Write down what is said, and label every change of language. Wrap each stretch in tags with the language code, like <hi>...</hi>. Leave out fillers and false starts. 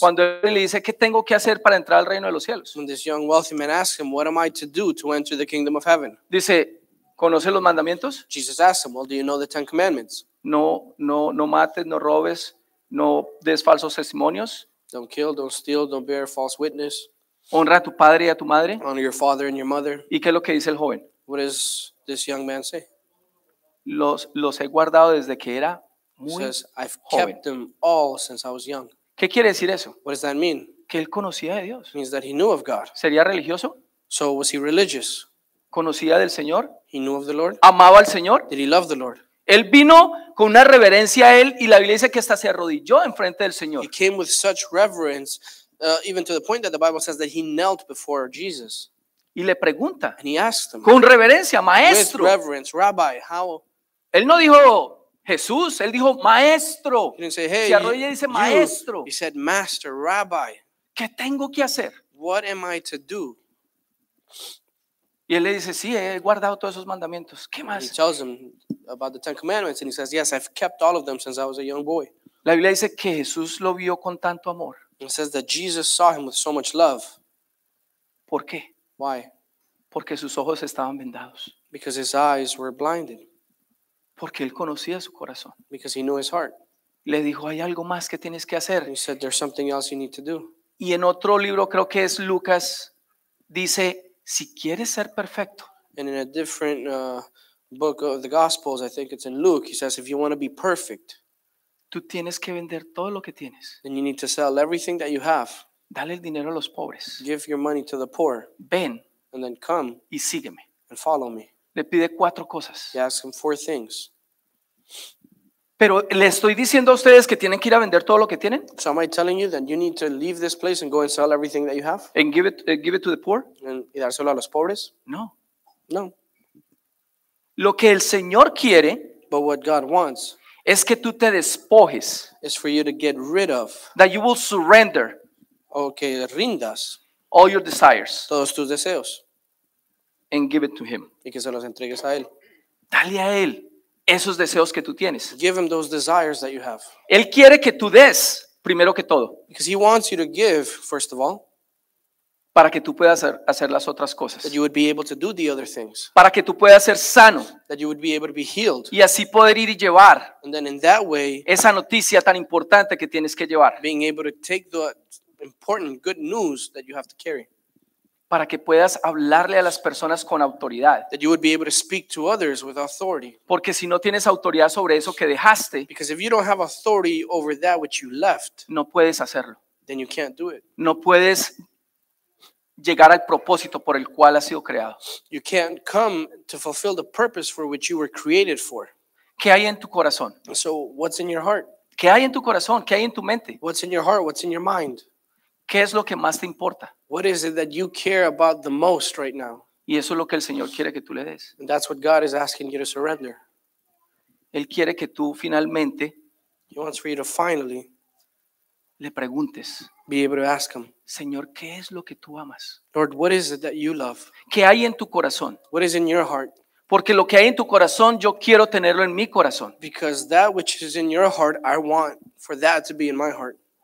<es>Cuando él le dice, ¿qué tengo que hacer para entrar al reino de los cielos?</es> <en>When this young wealthy man asks him, what am I to do to enter the kingdom of heaven?</en> <es>Dice, ¿conoce los mandamientos?</es> <en>Jesus asks him, well, do you know the Ten Commandments?</en> <es>No mates, no robes, no des falsos testimonios.</es> <en>Don't kill, don't steal, don't bear false witness.</en> <es>Honra a tu padre y a tu madre.</es> <en>Honor your father and your mother.</en> <es>¿Y qué es lo que dice el joven?</es> <en>What does this young man say?</en> <es>Los he guardado desde que era muy joven.</es> <en>Says, I've kept them all since I was young.</en> <es>¿Qué quiere decir eso?</es> <en>What does that mean?</en> <es>Que él conocía de Dios.</es> <en>It means that he knew of God.</en> <es>¿Sería religioso?</es> <en>So was he religious?</en> <es>¿Conocía del Señor?</es> <en>He knew of the Lord.</en> <es>¿Amaba al Señor?</es> <en>Did he love the Lord?</en> <es>Él vino con una reverencia a él y la Biblia dice que hasta se arrodilló enfrente del Señor.</es> <en>He came with such reverence. Even to the point that the Bible says that he knelt before Jesus.</en> <es>Y le pregunta.</es> <en>And he asked him.</en> <es>Con reverencia, maestro.</es> <en>With reverence, rabbi, how?</en> <es>Él no dijo Jesús, él dijo maestro.</es> <en>He didn't say, hey,</en> <es>se arrodilla y dice maestro.</es> <en>He said, master, rabbi.</en> <es>¿Qué tengo que hacer?</es> <en>What am I to do?</en> <es>Y él le dice, sí, he guardado todos esos mandamientos. ¿Qué más?</es> <en>And he tells him about the Ten Commandments and he says, yes, I've kept all of them since I was a young boy.</en> <es>La Biblia dice que Jesús lo vio con tanto amor.</es> <en>It says that Jesus saw him with so much love.</en> <es>¿Por qué?</es> <en>Why?</en> <es>Porque sus ojos estaban vendados.</es> <en>Because his eyes were blinded.</en> <es>Porque él conocía su corazón.</es> <en>Because he knew his heart.</en> <es>Le dijo, hay algo más que tienes que hacer.</es> <en>He said, there's something else you need to do.</en> <es>Y en otro libro, creo que es Lucas, dice, si quieres ser perfecto.</es> <en>And in a different book of the Gospels, I think it's in Luke, he says, if you want to be perfect,</en> <es>tú tienes que vender todo lo que tienes.</es> <en>Then you need to sell everything that you have.</en> <es>Dale el dinero a los pobres.</es> <en>Give your money to the poor.</en> <es>Ven.</es> <en>And then come.</en> <es>Y sígueme.</es> <en>And follow me.</en> <es>Le pide cuatro cosas.</es> <en>He asks him four things.</en> <es>Pero le estoy diciendo a ustedes que tienen que ir a vender todo lo que tienen.</es> <en>So am I telling you that you need to leave this place and go and sell everything that you have? And give it to the poor?</en> <es>Y dárselo a los pobres? No.</es> <en>No.</en> <es>Lo que el Señor quiere.</es> <en>But what God wants.</en> <es>Es que tú te despojes.</es> <en>Is for you to get rid of. That you will surrender.</en> <es>O que rindas.</es> <en>All your desires.</en> <es>Todos tus deseos.</es> <en>And give it to him.</en> <es>Y que se los entregues a él. Dale a él. Esos deseos que tú tienes.</es> <en>Give him those desires that you have.</en> <es>Él quiere que tú des primero que todo.</es> <en>Because he wants you to give first of all.</en> <es>Para que tú puedas hacer las otras cosas.</es> <en>That you would be able to do the other things.</en> <es>Para que tú puedas ser sano.</es> <en>That you would be able to be healed.</en> <es>Y así poder ir y llevar.</es> <en>And then in that way.</en> <es>Esa noticia tan importante que tienes que llevar.</es> <en>Being able to take the important good news that you have to carry.</en> <es>Para que puedas hablarle a las personas con autoridad.</es> <en>That you would be able to speak to others with authority.</en> <es>Porque si no tienes autoridad sobre eso que dejaste.</es> <en>Because if you don't have authority over that which you left.</en> <es>No puedes hacerlo.</es> <en>Then you can't do it.</en> <es>No puedes llegar al propósito por el cual has sido creado.</es> <en>You can't come to fulfill the purpose for which you were created for.</en> <es>¿Qué hay en tu corazón?</es> <en>So what's in your heart?</en> <es>¿Qué hay en tu corazón? ¿Qué hay en tu mente?</es> <en>What's in your heart? What's in your mind?</en> <es>¿Qué es lo que más te importa?</es> <en>What is it that you care about the most right now?</en> <es>Y eso es lo que el Señor quiere que tú le des.</es> <en>And that's what God is asking you to surrender.</en> <es>Él quiere que tú finalmente.</es> <en>He wants for you to finally.</en> <es>Le preguntes.</es> <en>Be able to ask him.</en> <es>Señor, ¿qué es lo que tú amas?</es> <en>Lord, what is it that you love?</en> <es>¿Qué hay en tu corazón?</es> <en>What is in your heart?</en> <es>Porque lo que hay en tu corazón, yo quiero tenerlo en mi corazón.</es> <en>Because that which is in your heart, I want for that to be in my heart.</en>